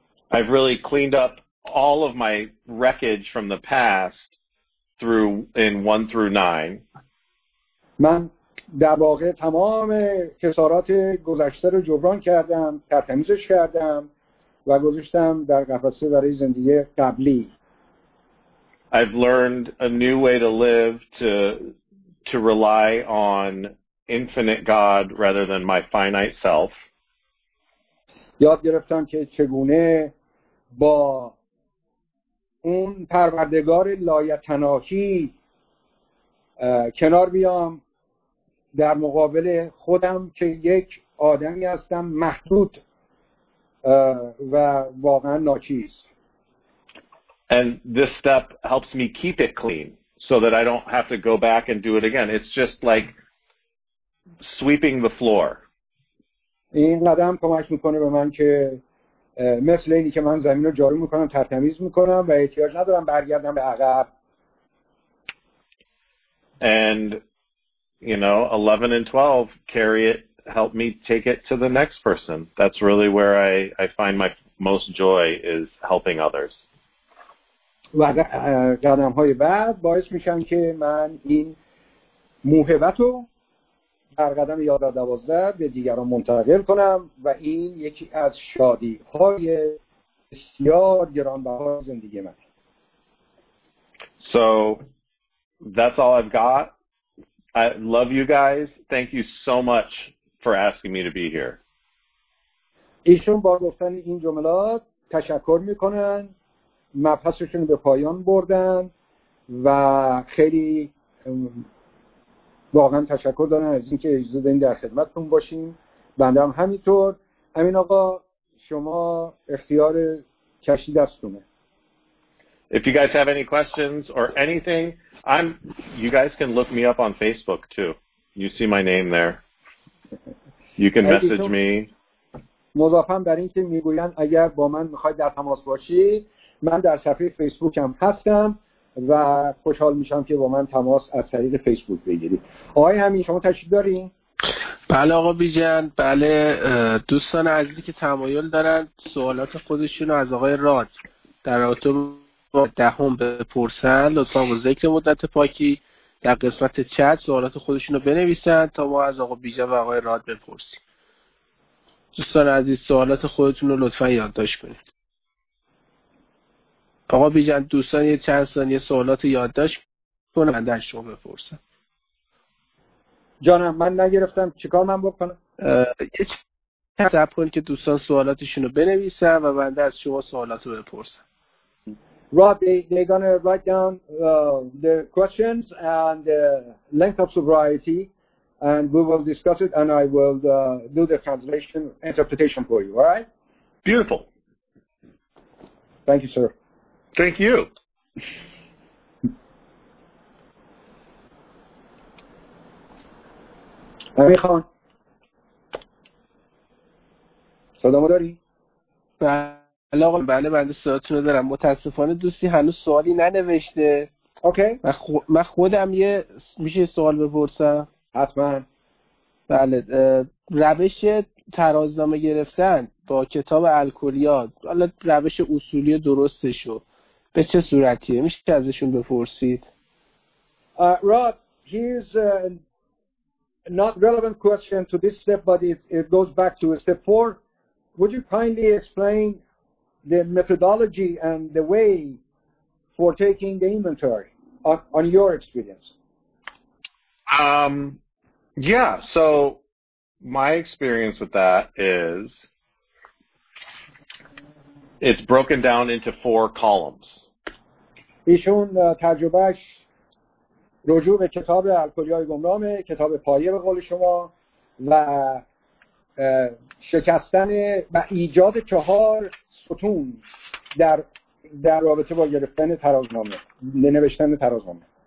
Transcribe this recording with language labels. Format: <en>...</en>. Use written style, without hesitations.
<en>I've really cleaned up all of my wreckage from the past through in 1 through 9.</en> <fa>من در واقع تمام خسارات گذشته رو جبران کردم، ترتمیزش کردم و گذاشتم در قفسه برای زندگی قبلی.</fa> <en>I've learned a new way to live to rely on infinite God rather than my finite self.</en> <fa>یاد گرفتم که چگونه با اون پروردگار لایتناهی کنار بیام در مقابل خودم که یک آدمی هستم محدود و واقعا ناچیز.</fa> <en>And this step helps me keep it clean so that I don't have to go back and do it again. It's just like sweeping the floor.</en> <fa>این قدم کمک میکنه به من که مثل اینی که من زمین رو جارو میکنم، ترتمیز میکنم و احتیاج ندارم برگردم به عقب.</fa> <en>And you know, 11 and 12 carry it, help me take it to the next person. That's really where I find my most joy is helping others.</en> <fa>و قدم های بعد باعث میشن که من این موهبت رو هر قدم 11 12 به دیگران منتقل کنم و این یکی از شادی های بسیار گرانبهای زندگی من.</fa> <en>So that's all I've got. I love you guys. Thank you so much for asking me to be here.</en> <fa>ایشون با گفتن این جملات تشکر میکنن، مبحثشون رو به پایان بردن و خیلی واقعا تشکر دارن از اینکه اجازه دادین در خدمتتون باشیم. بنده هم همینطور. امین آقا شما اختیار کشی دستتونه.</fa> <en>If you guys have any questions or anything, you guys can look me up on Facebook too. You see my name there. You can message me.</en> <fa>مضافم بر این که میگویند اگر با من میخواید در تماس باشید، من در صفحه فیسبوکم هستم و خوشحال میشم که با من تماس از طریق فیسبوک بگیرید. آقای همین شما تشریف دارین؟ بله آقا بیژن. بله دوستان عزیزی که تمایل دارن سوالات خودشون رو از آقای راد در رابطه با دهم بپرسن، لطفا با ذکر مدت پاکی در قسمت چت سوالات خودشون رو بنویسن تا ما از آقا بیژن و آقای راد بپرسیم. دوستان عزیز سوالات خودتون رو لطفا یادداشت کنید. آقا بیژن دوستان یه چند ثانیه سوالات یادداشت کنم بنده از شما بپرسم. جانم من نگرفتم چیکار من بکنم؟ یه چند ثانیه کنید که دوستان سوالاتشون رو بنویسن و بنده از شما سوالات رو بپرسم.</fa> <en>Rob, they're going to write down the questions and the length of sobriety and we will discuss it and I will do the translation interpretation for you, all right? Beautiful. Thank you, sir. Thank you.</en> <fa>امین خان صدا ما داری؟ بله آقا. بله بنده صداتون رو دارم. متاسفانه دوستی هنوز سوالی ننوشته. اوکی. من خودم یه میشه سوال بپرسم؟ حتما. بله روش ترازنامه گرفتن با کتاب الکلیات، حالا روش اصولی درستش رو به چه صورتیه؟ میشه ازشون بپرسید؟</fa> <en>Rod, here's not relevant question to this step, but it goes back to step 4. Would you kindly explain the methodology and the way for taking the inventory on your experience? Yeah, so my experience with that is it's broken down into 4 columns.</en> <fa>ایشون تجربهش رجوع به کتاب الکلی‌های گمنامه، کتاب پایه به قول شما و شکستن و ایجاد 4 ستون در رابطه با گرفتن ترازنامه، نوشتن ترازنامه.</fa>